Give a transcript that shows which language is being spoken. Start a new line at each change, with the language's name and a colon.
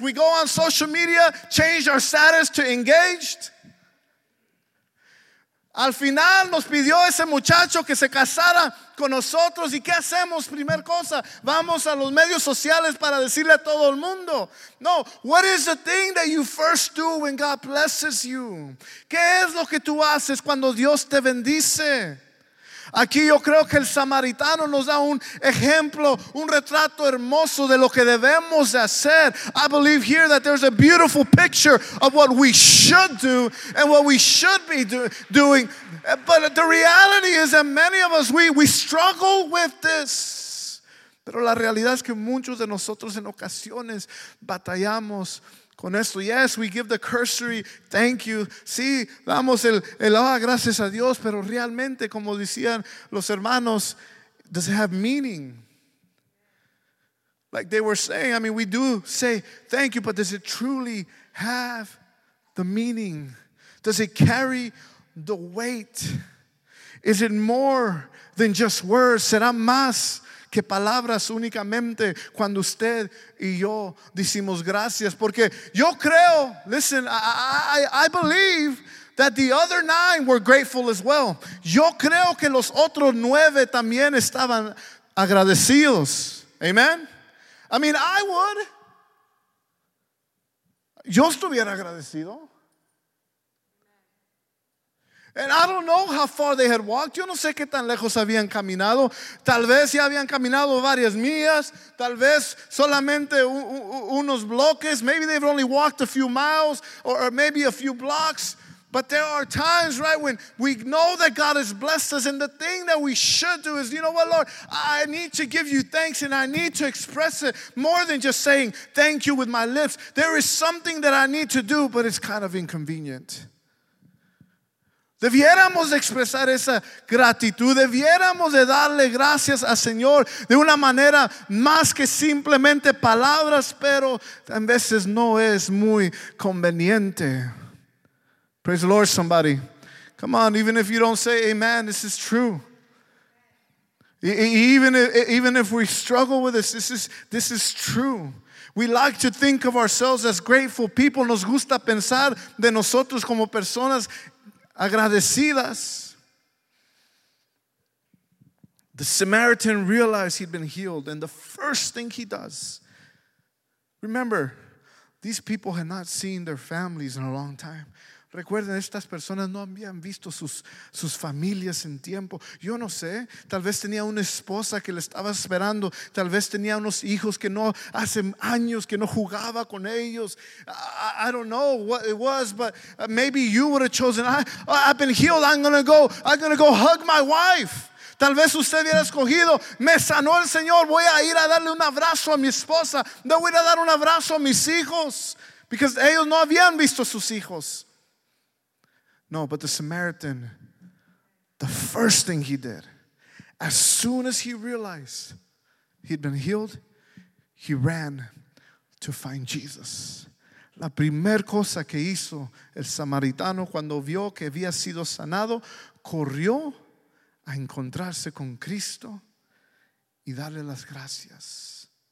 English: We go on social media, change our status to engaged.
Spanish: Al final nos pidió ese muchacho que se casara con nosotros. ¿Y qué hacemos? Primer cosa, vamos a los medios sociales para decirle a todo el mundo.
English: No, what is the thing that you first do when God blesses you?
Spanish: ¿Qué es lo que tú haces cuando Dios te bendice? Aquí yo creo que el samaritano nos da un ejemplo, un retrato hermoso de lo que debemos de hacer.
English: I believe here that there's a beautiful picture of what we should do and what we should be doing. But the reality is that many of us, we struggle with this.
Spanish: Pero la realidad es que muchos de nosotros en ocasiones batallamos con esto.
English: Yes, we give the cursory thank you.
Spanish: Sí, damos el gracias a Dios. Pero realmente, como decían los hermanos,
English: does it have meaning? Like they were saying, I mean, we do say thank you, but does it truly have the meaning? Does it carry the weight? Is it more than just words?
Spanish: ¿Será más que palabras únicamente cuando usted y yo decimos gracias? Porque yo creo,
English: listen, I believe that the other nine were grateful as well.
Spanish: Yo creo que los otros nueve también estaban agradecidos.
English: Amen. I mean, I would.
Spanish: Yo estuviera agradecido.
English: And I don't know how far they had walked.
Spanish: Yo no sé qué tan lejos habían caminado. Tal vez ya habían caminado varias millas. Tal vez solamente unos bloques.
English: Maybe they've only walked a few miles or maybe a few blocks. But there are times, right, when we know that God has blessed us. And the thing that we should do is, you know what, Lord? I need to give you thanks and I need to express it more than just saying thank you with my lips. There is something that I need to do, but it's kind of inconvenient.
Spanish: Debiéramos expresar esa gratitud, debiéramos de darle gracias al Señor de una manera más que simplemente palabras, pero en veces no es muy conveniente.
English: Praise the Lord, somebody. Come on, even if you don't say amen, this is true. Even if we struggle with this, this is true. We like to think of ourselves as grateful people.
Spanish: Nos gusta pensar de nosotros como personas agradecidas.
English: The Samaritan realized he'd been healed, and the first thing he does, remember, these people had not seen their families in a long time.
Spanish: Recuerden, estas personas no habían visto sus familias en tiempo. Yo no sé, tal vez tenía una esposa que le estaba esperando, tal vez tenía unos hijos que no hace años que no jugaba con ellos.
English: I don't know what it was, but maybe you would have chosen, I've been healed, I'm going to go hug my wife.
Spanish: Tal vez usted hubiera escogido, me sanó el Señor, voy a ir a darle un abrazo a mi esposa, no voy a dar un abrazo a mis hijos,
English: because
Spanish: ellos no habían visto sus hijos.
English: No, but the Samaritan, the first thing he did, as soon as he realized he'd been healed, He ran to find Jesus.
Spanish: La primera cosa que hizo el samaritano cuando vio que había sido sanado, corrió a encontrarse con Cristo y darle las gracias.